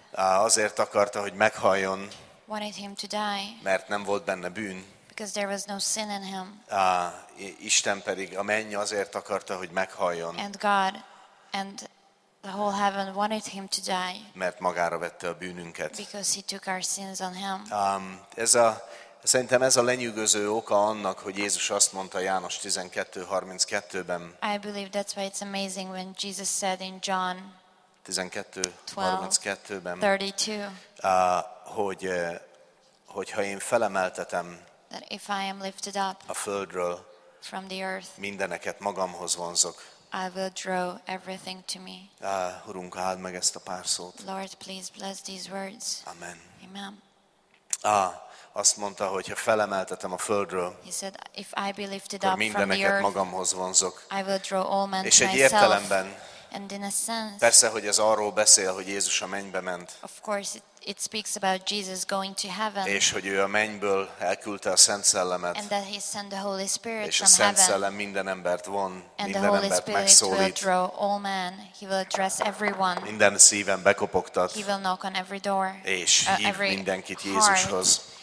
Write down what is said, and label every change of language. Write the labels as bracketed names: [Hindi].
[Hungarian] azért akarta, hogy meghaljon, [English] wanted him to die [Hungarian] mert nem volt benne bűn [English] because there was no sin in him [Hungarian] Isten pedig a menny azért akarta hogy meghaljon [English] and God and the whole heaven wanted him to die [Hungarian] mert magára vette a bűnünket [English] because he took our sins on him [Hungarian] ez a Szerintem ez a lenyűgöző oka annak, hogy Jézus azt mondta János 12:32-ben. [English] I believe that's why it's amazing when Jesus said in John [Hungarian] 12:32-ben, hogy ha én felemeltetem [English] that if I am lifted up [Hungarian] a földről, [English] from the earth, [Hungarian] mindeneket magamhoz vonzok. [English] I will draw everything to me. [Hungarian] Urunk, áld meg ezt a pár szót. [English] Lord, please bless these words. [Hungarian] Amen. [English] Amen. [Hungarian] Azt mondta, hogy ha felemeltetem a földről, [English] said, if I be lifted [Hungarian] akkor mindeneket [English] earth, [Hungarian] magamhoz vonzok. [English] I will draw all men [Hungarian] és [English] to [Hungarian] egy [English] myself. [Hungarian] Értelemben, [English] and in a sense, [Hungarian] persze, hogy ez arról beszél, hogy Jézus a mennybe ment. [English] Of course, it speaks about Jesus going to heaven. [Hungarian] És hogy ő a mennyből elküldte a Szent Szellemet. [English] And that he sent the Holy Spirit from heaven. [Hungarian] És a Szent Szellem minden embert von, [English] and [Hungarian] minden embert megszólít. [English] Will draw all men. He will address everyone. [Hungarian] Minden szíven bekopogtat. [English] He will knock on every door. [Hungarian] És hív mindenkit Jézushoz.